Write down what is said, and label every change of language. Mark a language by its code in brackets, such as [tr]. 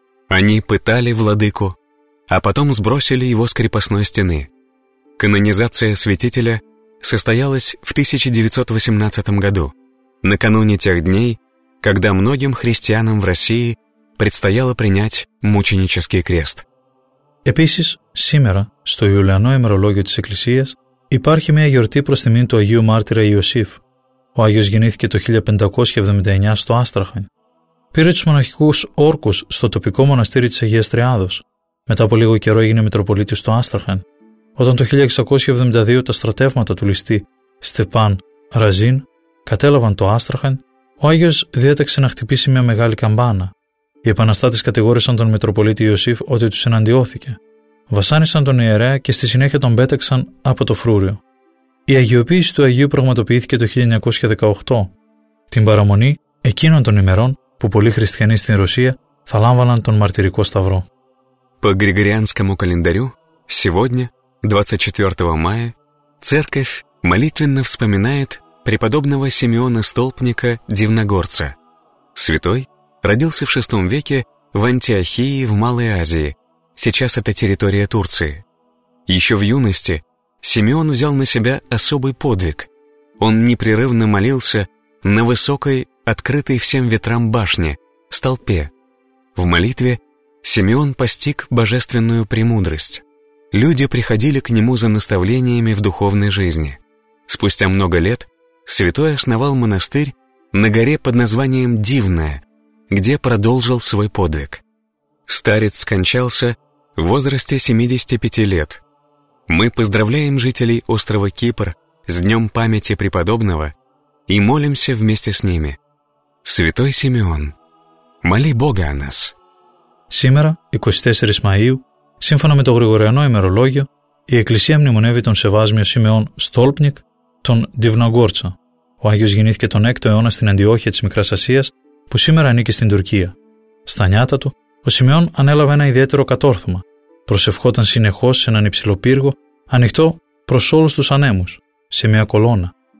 [ru] Они пытали владыку, а потом сбросили его с крепостной стены. Канонизация святителя состоялась в 1918 году, накануне тех дней, когда многим христианам в России предстояло принять мученический крест. [el] Επίσης, σήμερα, στο Ιουλιανό ημερολόγιο της Εκκλησίας, υπάρχει μια γιορτή προς τιμήν του Αγίου Μάρτυρα Ιωσήφ. Ο Άγιος γεννήθηκε το 1579 στο Άστραχαν. Πήρε τους μοναχικούς όρκους στο τοπικό μοναστήρι της Αγίας Τριάδος. Μετά από λίγο καιρό έγινε Μητροπολίτης στο Άστραχαν, όταν το 1672 τα στρατεύματα του ληστή Στεπάν Ραζίν κατέλαβαν το Άστραχαν, ο Άγιος διέταξε να χτυπήσει μια μεγάλη καμπάνα. Οι επαναστάτες κατηγόρησαν τον Μητροπολίτη Ιωσήφ ότι τους εναντιώθηκε. Βασάνισαν τον ιερέα και στη συνέχεια τον πέταξαν από το φρούριο. Η αγιοποίηση του Αγίου πραγματοποιήθηκε το 1918, την παραμονή εκείνων των ημερών που πολλοί χριστιανοί στην Ρωσία θα λάμβαναν τον μαρτυρικό σταυρό. [ru] По григорианскому календарю, сегодня, 24 мая, церковь молитвенно вспоминает преподобного Симеона Столпника Дивногорца. Святой родился в VI веке в Антиохии в Малой Азии, сейчас это территория Турции. Еще в юности Симеон взял на себя особый подвиг. Он непрерывно молился на высокой, открытой всем ветрам башне, столпе. В молитве Симеон постиг божественную премудрость. Люди приходили к нему за наставлениями в духовной жизни. Спустя много лет святой основал монастырь на горе под названием Дивное, где продолжил свой подвиг. Старец скончался в возрасте 75 лет. Мы поздравляем жителей острова Кипр с днем памяти преподобного и молимся вместе с ними. Святой Симеон, моли Бога о нас. [el] Σήμερα, 24 Μαΐου, σύμφωνα με το Γρηγοριανό ημερολόγιο, η Εκκλησία μνημονεύει τον Σεβάσμιο Σιμεών Στόλπνικ, τον Διβναγκόρτσα. Ο Άγιος γεννήθηκε τον 6ο αιώνα στην Αντιόχεια της Μικράς Ασίας, που σήμερα ανήκει στην Τουρκία. Στα νιάτα του, ο Σιμεών ανέλαβε ένα ιδιαίτερο κατόρθωμα. Προσευχόταν συνεχώς σε έναν υψηλό πύργο, ανοιχτό προς όλους τους ανέμους, σε μια κολόνα.